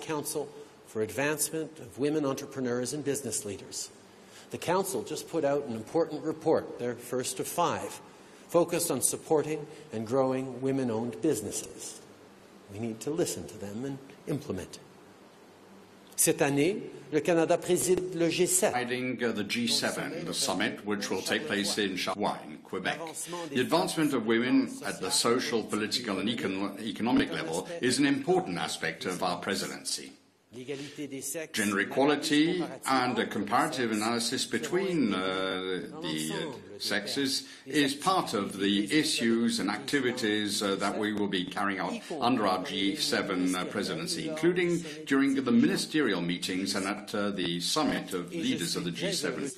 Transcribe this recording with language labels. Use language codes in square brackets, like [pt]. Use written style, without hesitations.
[en] Council for Advancement of Women Entrepreneurs and Business Leaders. The Council just put out an important report, their first of five, focused on supporting and growing women-owned businesses. We need to listen to them and implement. [fr] Cette année, le Canada préside le G7. [en] Guiding the G7, the summit, which will take place in Charlevoix, Quebec. The advancement of women at the social, political, and economic level is an important aspect of our presidency. gender equality and a comparative analysis between the sexes is part of the issues and activities that we will be carrying out under our G7 presidency, including during the ministerial meetings and at the summit of leaders of the G7.